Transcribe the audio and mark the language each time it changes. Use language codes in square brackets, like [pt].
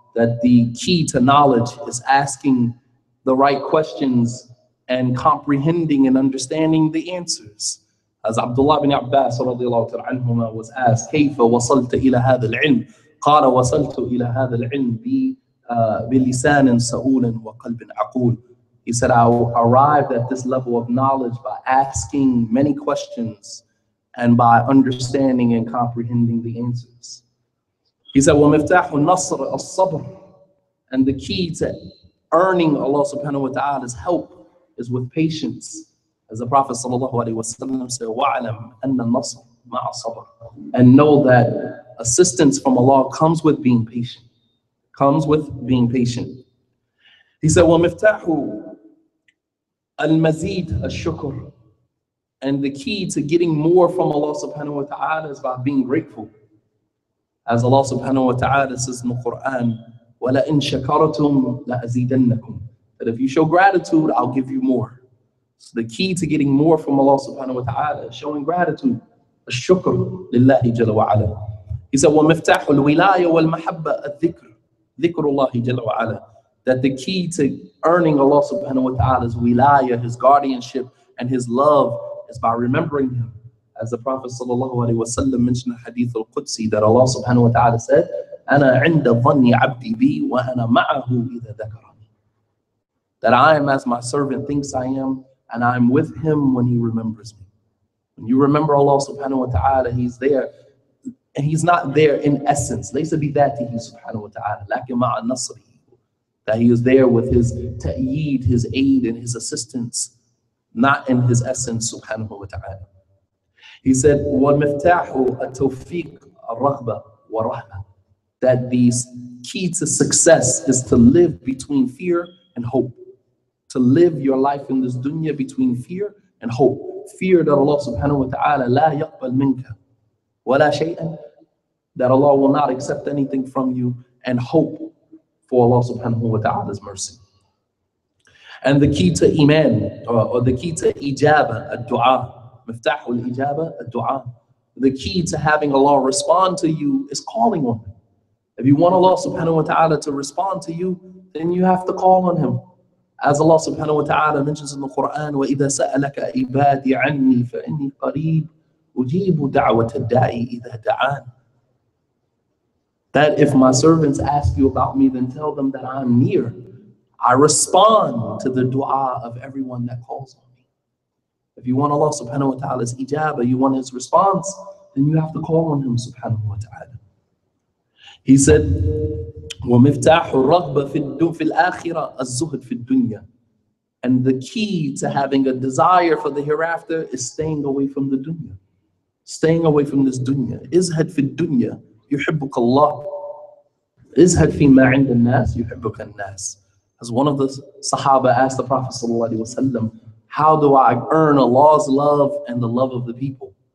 [en] That the key to knowledge is asking the right questions and comprehending and understanding the answers. As Abdullah bin Abbas رضي الله تعالى عنهما was asked, [ar] كيف وصلت إلى هذا العلم؟ قال وصلت إلى هذا العلم بلسان سؤول وقلب عقول. [en] He said, I arrived at this level of knowledge by asking many questions and by understanding and comprehending the answers. He said, [ar] ومفتاح النصر الصبر. [en] And the key to earning Allah subhanahu wa ta'ala's help is with patience. As the Prophet sallallahu alayhi wa sallam said, [ar] وَعَلَمْ أَنَّ النَّصْرِ مَعَ الصَّبْرِ. [en] And know that assistance from Allah comes with being patient. Comes with being patient. He said, [ar] وَمِفْتَاحُ الْمَزِيدِ الشُّكُرِ. [en] And the key to getting more from Allah subhanahu wa ta'ala is by being grateful. As Allah subhanahu wa ta'ala says in the Quran, [ar] وَلَئِنْ شَكَرَتُمْ لَأَزِيدَنَّكُمْ. [en] That if you show gratitude, I'll give you more. So the key to getting more from Allah subhanahu wa ta'ala is showing gratitude. [ar] الشكر لله جل وعلا. [en] He said, [ar] وَمِفْتَاحُ الْوِلَايَ وَالْمَحَبَّةَ الذِّكْرِ. ذِكْرُ اللَّهِ جل وعلا. [en] That the key to earning Allah subhanahu wa ta'ala's wilayah, his guardianship, and his love is by remembering him. As the Prophet sallallahu alayhi wa sallam mentioned in Hadith al-Qudsi that Allah subhanahu wa ta'ala said, [ar] أَنَا عِنْدَ ظَنِّ عَبْدِي بِي وَأَنَا مَعَهُ إِذَا ذَكَرَنِي. [en] That I am as my servant thinks I am, and I am with him when he remembers me. When you remember Allah subhanahu wa ta'ala, he's there. And he's not there in essence. [ar] لَيْسَ بِذَاتِهِ سُبْحَانَهُ وَتَعَالَى لَكِنْ مَعَ النَّصْرِ. [en] That he is there with his ta'eed, his aid, and his assistance, not in his essence, subhanahu wa ta'ala. He said, [ar] وَمِفْتَاحُ التَّوْفِيقِ الرَّغْبَ وَرَحْمَةً. [en] That the key to success is to live between fear and hope. To live your life in this dunya between fear and hope. Fear that Allah subhanahu wa ta'ala [ar] لَا يَقْبَلْ مِنْكَ وَلَا شَيْئًا. [en] That Allah will not accept anything from you, and hope for Allah subhanahu wa ta'ala's mercy. And the key to iman, or the key to ijaba, al-du'a, miftahu al-ijaba, al-du'a. The key to having Allah respond to you is calling on Him. If you want Allah subhanahu wa ta'ala to respond to you, then you have to call on Him. As Allah subhanahu wa ta'ala mentions in the Quran, [ar] وَإِذَا سَأَلَكَ عِبَادِي عَنِّي فَإِنِّي قَرِيبُ أُجِيبُ دَعْوَةَ الدَّاعِي إِذَا دَعَانِ. [en] That if my servants ask you about me, then tell them that I'm near. I respond to the dua of everyone that calls on me. If you want Allah subhanahu wa ta'ala's ijabah, you want His response, then you have to call on Him subhanahu wa ta'ala. He said, [ar] وَمِفْتَاحُ الرَّغْبَةِ فِي الْآخِرَةِ الزُّهْدِ فِي الدُّنْيَا. [en] And the key to having a desire for the hereafter is staying away from the dunya. Staying away from this dunya. [ar] إِزْهَدْ فِي الدُّنْيَا يُحِبُّكَ اللَّهُ إِزْهَدْ فِي مَا عِنْدَ النَّاسِ يُحِبُّكَ النَّاسِ. [en] As one of the Sahaba asked the Prophet sallallahu alaihi wasallam, how do I earn Allah's love and the love of the people?